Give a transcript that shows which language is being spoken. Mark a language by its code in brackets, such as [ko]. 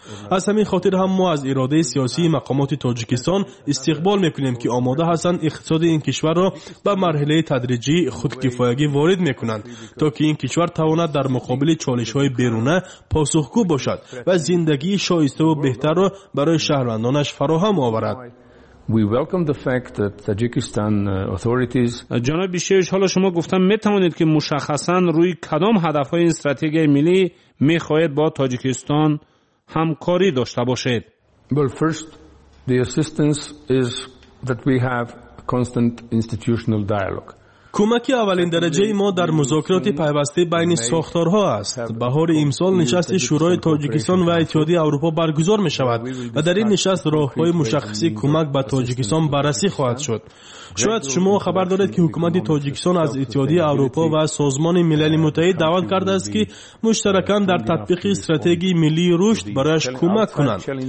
[fa] از همین خاطر هم ما از اراده سیاسی مقامات تاجیکستان استقبال میکنیم که آماده هستند اقتصاد این کشور را به مرحله تدریجی خودکفایی وارد میکنند تا که این کشور تواند در مقابل چالش های بیرونه پاسخگو باشد و زندگی شایسته و بهتر را برای شهروندانش فراهم آورد. [en] We welcome the fact that Tajikistan authorities [fa] جناب شیش حالا شما گفتن می توانید که مشخصا روی کدام هدف های این استراتژی ملی می خواهید با تاجیکستان همکاری داشته باشید. [en] Well, first the assistance is that we have constant institutional dialogue. [fa] کمکی اولین درجه ما در مذاکرات پیوسته بین ساختارها است. بهار امسال نشست شورای تاجیکستان و اتحادیه اروپا برگزار می شود و در این نشست راه‌های مشخصی کمک به تاجیکستان بررسی خواهد شد. شاید شما خبر دارید که حکومت تاجیکستان از اتحادیه اروپا و سازمان ملل متحد دعوت کرده است که مشترکاً در تطبیق استراتژی ملی رشد برایش کمک کنند.